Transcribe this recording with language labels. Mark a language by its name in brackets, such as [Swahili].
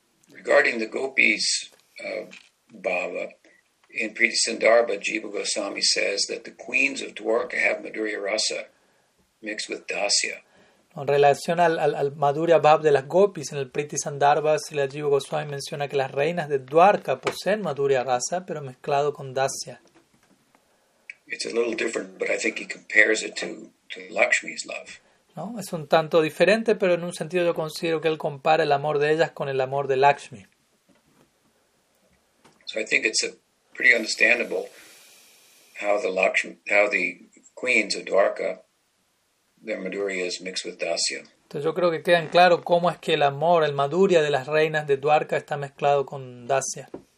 [English] Regarding the gopis bhava, in Pritisandarbha, Jiva Goswami says that the queens of Dwarka have Madhurya Rasa mixed with Dasya. [Spanish] En relación al Madhurya Bhav de las gopis, en el Pritisandarbha, Jiva Goswami menciona que las reinas de Dwarka poseen Madhurya Rasa, pero mezclado con Dasya. [English] It's a little different, but I think he compares it to Lakshmi's love. [Spanish] ¿No? Es un tanto diferente, pero en un sentido yo considero que él compara el amor de ellas con el amor de Lakshmi. [English] So I think it's a pretty understandable how the queens of Dwarka, their Madhurya is mixed with Dasya. [Spanish] Entonces yo creo que queda en claro cómo es que el amor, el Madhurya de las reinas de Dwarka está mezclado con Dasya.